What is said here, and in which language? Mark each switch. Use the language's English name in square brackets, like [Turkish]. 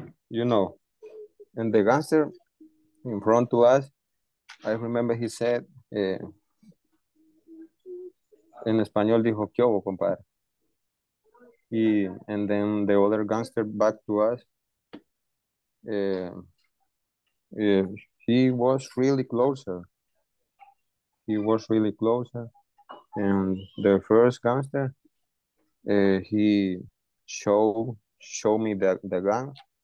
[English] You know. And the gangster in front of us, I remember he said, [Spanish] en español dijo, ¿qué hubo, compadre? [English] Y, and then the other gangster back to us, he was really closer. He was really closer. And the first gangster, he showed me the gun.